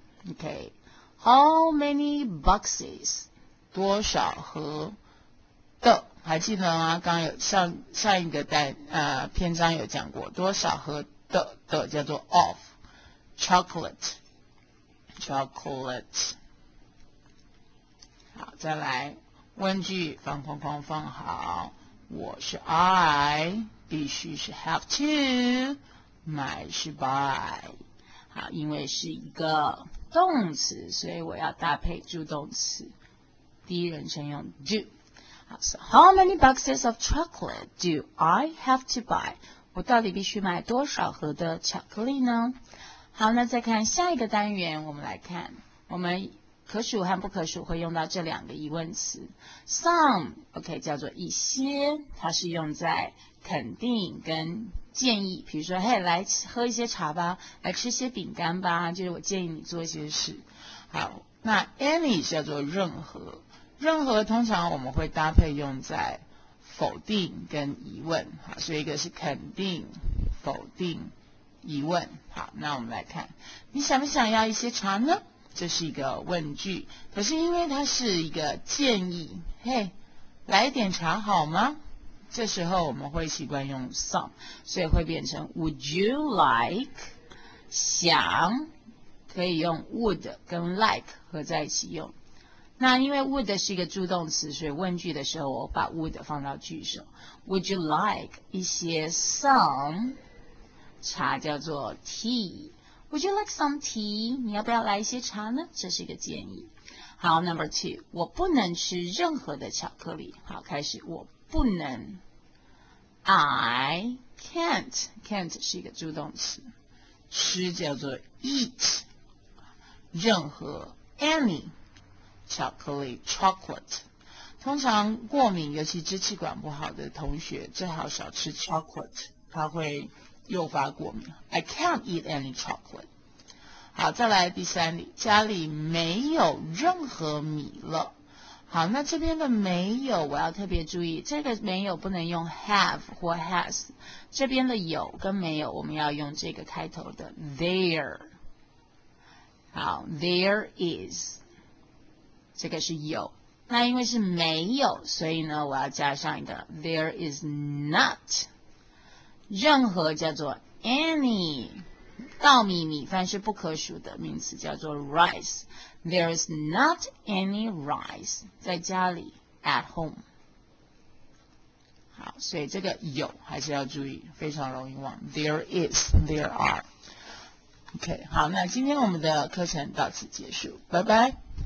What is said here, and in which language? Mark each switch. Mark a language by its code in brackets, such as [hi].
[zh] OK。 [en] How many boxes？ [zh] 多少盒的？还记得吗？刚有上一个篇章有讲过，多少盒的叫做 of chocolate。好，再来问句，放框框放好。我是 I， 必须是 have to， 买是 buy。好，因为是一个动词，所以我要搭配助动词，第一人称用 do。 [en] 好， so how many boxes of chocolate do I have to buy？ [zh] 我到底必须买多少盒的巧克力呢？好，那再看下一个单元，我们来看我们可数和不可数会用到这两个疑问词。 some OK 叫做一些，它是用在肯定跟建议，比如说嘿，来喝一些茶吧，来吃些饼干吧，就是我建议你做一些事。好，那 any 叫做任何通常我们会搭配用在否定跟疑问。好，所以一个是肯定、否定、疑问。好，那我们来看，你想不想要一些茶呢？这是一个问句，可是因为它是一个建议，嘿，来点茶好吗？这时候我们会习惯用 some， 所以会变成 [en] would you like， [zh] 想可以用 would 跟 like 合在一起用。那因为 would 是一个助动词，所以问句的时候我把 would 放到句首。 would you like 一些 some 茶叫做 tea， [en] would you like some tea， [zh] 你要不要来一些茶呢？这是一个建议。好， number two， 我不能吃任何的巧克力。好，开始，我不能， I can't 是一个助动词，吃叫做 eat，任何 any 巧克力 chocolate。通常过敏，尤其支气管不好的同学，最好少吃 chocolate， 它会诱发过敏。 [en] I can't eat any chocolate。 [zh] 好，再来第三例，家里没有任何米了。好，那这边的没有我要特别注意，这个没有不能用 have 或 has， 这边的有跟没有我们要用这个开头的 there。好， there is， 这个是有，那因为是没有，所以呢我要加上一个 [en] there is not。 [zh] 任何叫做 any， 稻米米饭是不可数的名词，叫做 rice。 [en] There is not any rice， 在家里 at home。 [zh] 好，所以这个有还是要注意，非常容易忘 [en] there is there are。 [zh] OK， 好，那今天我们的课程到此结束，拜拜。